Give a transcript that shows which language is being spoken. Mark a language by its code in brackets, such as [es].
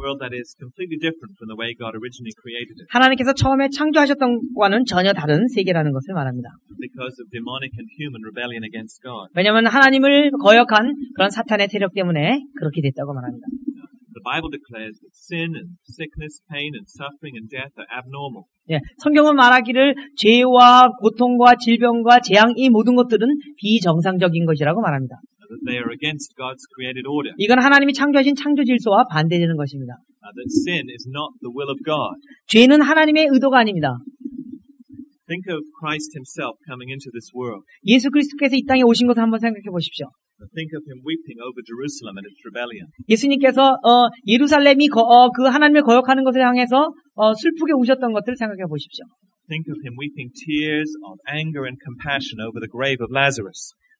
[en] A world that is completely different from the way God originally created it. [ko] 하나님께서 처음에 창조하셨던 것과는 전혀 다른 세계라는 것을 말합니다. [en] Because of demonic and human rebellion against God. [ko] 왜냐하면 하나님을 거역한 그런 사탄의 세력 때문에 그렇게 됐다고 말합니다. [en] The Bible declares that sin and sickness, pain and suffering and death are abnormal. [ko] 예, 성경은 말하기를 죄와 고통과 질병과 재앙 이 모든 것들은 비정상적인 것이라고 말합니다. [en] That they are against God's created order. [ko] 이건 하나님이 창조하신 창조 질서와 반대되는 것입니다. [en] That sin is not the will of God. [ko] 죄는 하나님의 의도가 아닙니다. [en] Think of Christ himself coming into this world. [ko] 예수 그리스도께서 이 땅에 오신 것을 한번 생각해 보십시오. [en] Think of him weeping over Jerusalem and its rebellion. [ko] 예수님께서 예루살렘이 그 하나님의 거역하는 것을 향해서 슬프게 우셨던 것들을 생각해 보십시오. [en] Think of him weeping tears of anger and compassion over the grave of Lazarus.